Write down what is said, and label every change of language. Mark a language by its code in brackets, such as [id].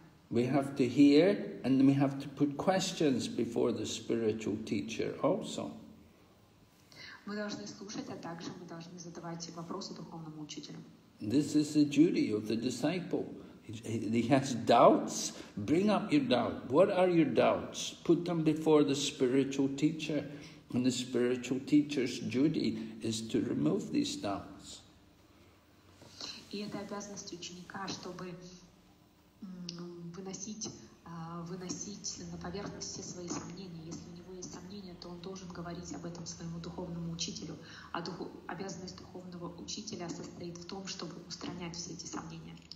[en] We have to hear, and we have to put questions before the spiritual teacher also. [ru] Мы должны слушать, а также мы должны задавать вопросы духовному учителю. [en] This is the duty of the disciple. He has doubts. Bring up your doubt. What are your doubts? Put them before the spiritual teacher. And the spiritual teacher's duty is to remove these doubts. [ru] И это обязанность ученика, чтобы выносить на поверхность все свои сомнения. Если у него есть сомнения, то он должен говорить об этом своему духовному учителю. А обязанность духовного учителя состоит в том, чтобы устранять все эти сомнения.